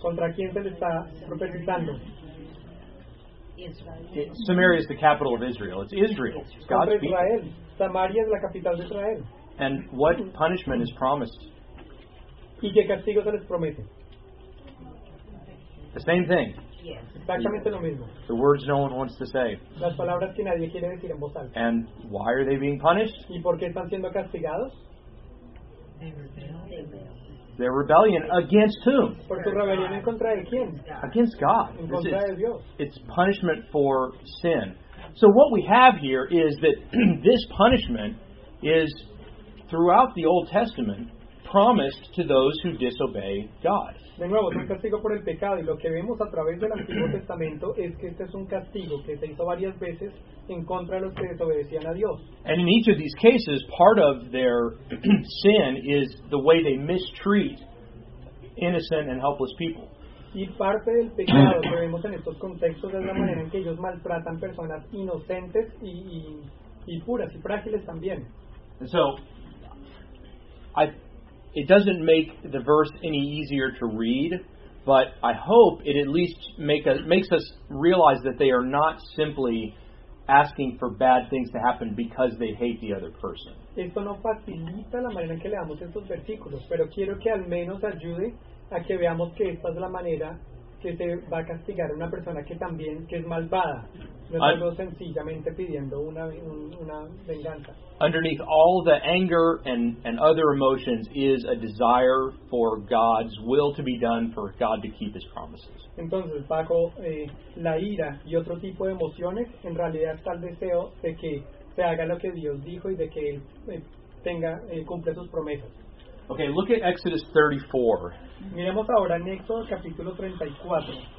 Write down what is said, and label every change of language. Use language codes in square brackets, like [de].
[es] ¿Contra quién se le está profetizando? [en] Samaria is the capital of Israel. It's Israel. It's God's [es] Israel. People. Samaria es la capital de Israel. [en] And what punishment is promised? [es] ¿Y qué castigo se les promete? [en] The same thing. Yes. [es] Exactamente lo mismo. [en] The words no one wants to say. [es] Las palabras que nadie quiere decir en voz alta. [en] And why are they being punished? [es] ¿Y por qué están siendo castigados? [en] Their rebellion against whom? [es] ¿Por tu rebelión en contra de quién? [en] Against God. [es] En contra de Dios. [en] It's punishment for sin. So what we have here is that this punishment is throughout the Old Testament promised to those who disobey God. [es] De nuevo, es un castigo por el pecado, y lo que vemos a través del Antiguo Testamento es que este es un castigo que se hizo varias veces en contra de los que desobedecían a Dios. [en] And in each of these cases, part of their sin is the way they mistreat innocent and helpless people. [es] Y parte del pecado que vemos en estos contextos es la manera en que ellos maltratan personas inocentes y puras y frágiles también. [en] And so, it doesn't make the verse any easier to read, but I hope it at least makes us realize that they are not simply asking for bad things to happen because they hate the other person. [es] Esto no facilita la manera en que leamos estos versículos, pero quiero que al menos ayude a que veamos que esta es la manera que se va a castigar a una persona que también que es malvada, no es algo sencillamente pidiendo una venganza. [en] Underneath all the anger and other emotions is a desire for God's will to be done, for God to keep His promises. [es] Entonces, bajo la ira y otro tipo de emociones, en realidad está el deseo de que se haga lo que Dios dijo y de que Él cumpla sus promesas. [en] Okay, look at Exodus 34. [es] Miremos ahora en Éxodo capítulo 34.